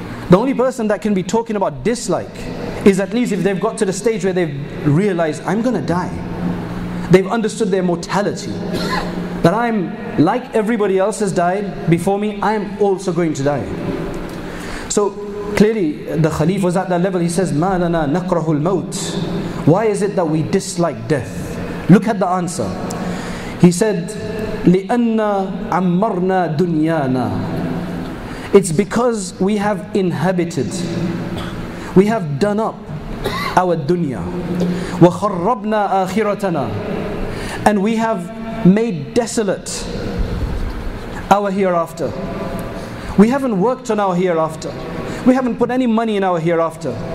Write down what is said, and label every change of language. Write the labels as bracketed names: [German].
[English] The only person that can be talking about dislike is at least if they've got to the stage where they've realized I'm gonna die. They've understood their mortality. That I'm, like everybody else has died before me, I am also going to die. So clearly the Khalif was at that level. [Arabic] He says, مَا لَنَا نَقْرَهُ الْمَوْتِ. [English] Why is it that we dislike death? Look at the answer. [Arabic] He said, لِأَنَّ عَمَّرْنَا دُنْيَانَا. [English] It's because we have inhabited, we have done up our dunya. [Arabic] وَخَرَّبْنَا آخِرَتَنَا. [English] And we have made desolate our hereafter. We haven't worked on our hereafter. We haven't put any money in our hereafter.